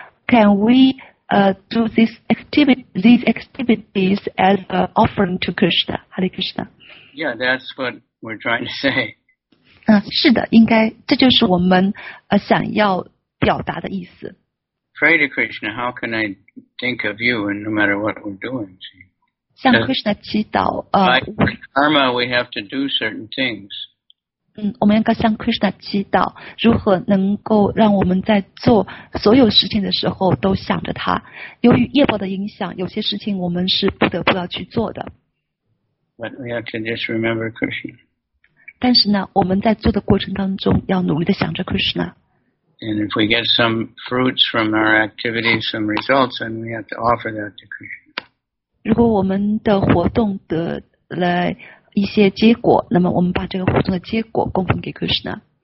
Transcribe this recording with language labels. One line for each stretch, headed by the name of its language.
English: Can we do these activities as an offering to Krishna? Hare Krishna. Yeah, that's what we're trying to say.
Chinese: 是的，应该，这就是我们想要表达的意思。
English: Pray to Krishna, how can I think of you and no matter what we're doing?
Chinese: 向 Krishna 祈祷。
English: By karma, we have to do certain things.
Chinese: 我们应该向 Krishna 祈祷，如何能够让我们在做所有事情的时候都想着他。由于业报的影响，有些事情我们是不得不要去做的。
English: But we have to just remember Krishna.
Chinese: 但是呢，我们在做的过程当中要努力的想着 Krishna。
English: And if we get some fruits from our activities, some results, then we have to offer that to Krishna.
Chinese: 如果我们的活动得来一些结果，那么我们把这个活动的结果供奉给 Krishna。